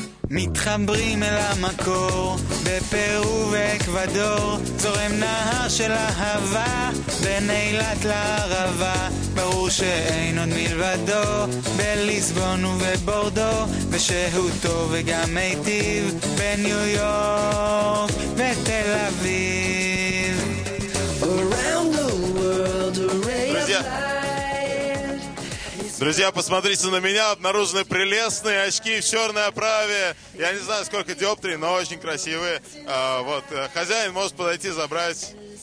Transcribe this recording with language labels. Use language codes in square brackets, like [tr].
[he] מתחברים אל המקור בפרו ואקוודור זורם נהר של אהבה בין אילת לערבה ברור שאין עוד מלבדו בליסבון ובבורדו ושהותו וגם מיטיב בניו יורק ותל אביב [en] around the world a ray of light is [ru] Друзья, посмотрите на меня, обнаружены прелестные очки в черной оправе. Я не знаю, сколько диоптрий, но очень красивые. А, вот, хозяин может подойти забрать.